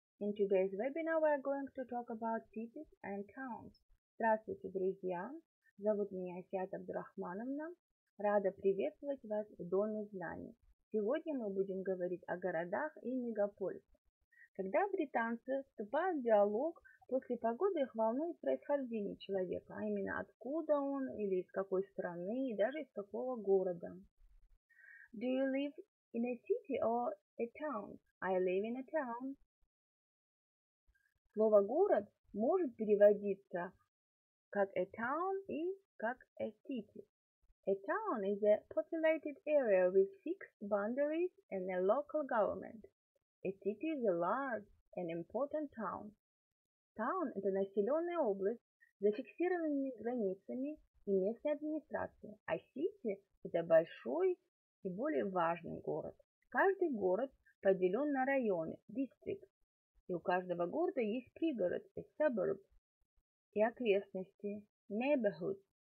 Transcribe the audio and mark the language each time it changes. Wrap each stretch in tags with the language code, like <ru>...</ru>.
<en>In today's webinar we are going to talk about cities and towns.</en> <ru>Здравствуйте, друзья! Зовут меня Асиат Абдурахмановна. Рада приветствовать вас в Доме Знаний. Сегодня мы будем говорить о городах и мегаполисах. Когда британцы вступают в диалог, после погоды их волнует происхождение человека, а именно откуда он или из какой страны и даже из какого города.</ru> <en>Do you live in a city or a town? I live in a town.</en> <ru>Слово «город» может переводиться как a town и как a city.</ru> <en>A town is a populated area with fixed boundaries and a local government. A city is a large and important town.</en> <ru>Town – это населенная область с зафиксированными границами и местной администрацией, а city – это большой и более важный город. Каждый город поделен на районы, districts, и у каждого города есть пригород, a suburb, и окрестности, neighborhood.</ru>